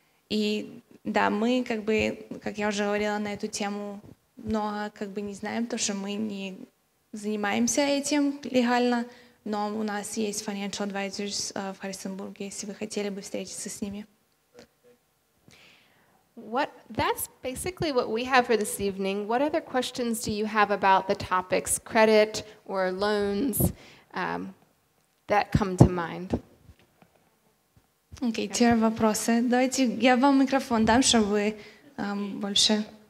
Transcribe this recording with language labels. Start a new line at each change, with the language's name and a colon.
Russian: И да, мы, как бы, как я уже говорила на эту тему, много как бы не знаем, потому что мы не занимаемся этим легально, но у нас есть
English: financial advisors
Russian: в Харрисонбурге, если вы хотели бы встретиться с ними.
English: What, that's basically what we have for this evening. What other questions do you have about the topics, credit or loans, that come to mind?
Russian: Okay, теперь вопросы. Давайте я вам микрофон дам, чтобы вы больше.